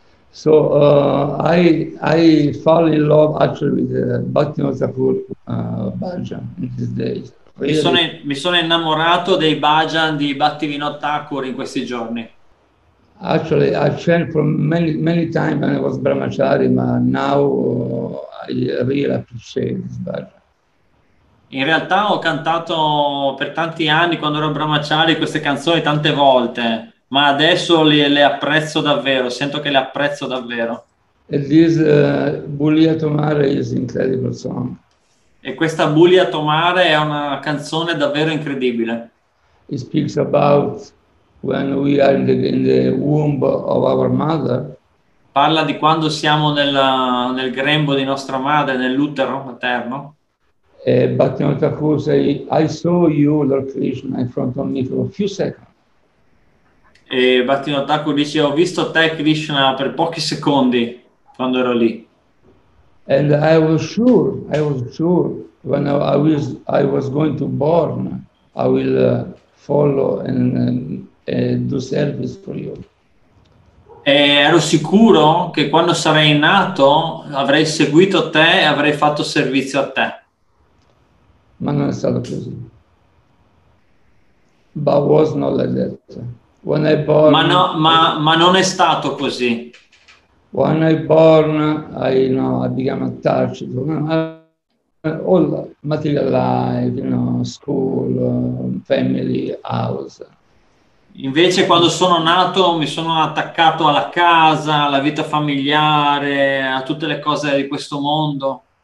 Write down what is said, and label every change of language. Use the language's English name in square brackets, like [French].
[English] So I fall in love actually with Bhaktivinoda Thakur Bhajan in these days. Really. [Italian] Mi sono innamorato dei Bhajan di Bhaktivinoda Thakur in questi giorni. [English] Actually, I changed for many times when I was Brahmachari, but now I really appreciate that. [Italian] In realtà ho cantato per tanti anni quando ero Brahmachari queste canzoni tante volte, ma adesso le apprezzo davvero, sento che le apprezzo davvero. [English] And this Bulia Tumare is incredible song. [Italian] E questa Bulia Tumare è una canzone davvero incredibile. [English] It speaks about when we are in the womb of our mother. [Italian] Parla di quando siamo nel grembo di nostra madre, nell'utero materno. [English] Bhaktivinoda Thakur say, I saw you, Lord Krishna, in front of me for a few seconds. [Italian] E Bhaktivinoda Thakur dice, ho visto te, Krishna, per pochi secondi quando ero lì. [English] And I was sure, when I was going to born, I will follow and do service for you. [Italian] E ero sicuro che quando sarei nato avrei seguito te e avrei fatto servizio a te. Ma non è stato così. [English] But was not like that. When I born, [Italian] ma non è stato così. [English] When I born, I know I became attached to all material life, you know, school, family, house. [Italian] Invece, quando sono nato, mi sono attaccato alla casa, alla vita familiare, a tutte le cose di questo mondo.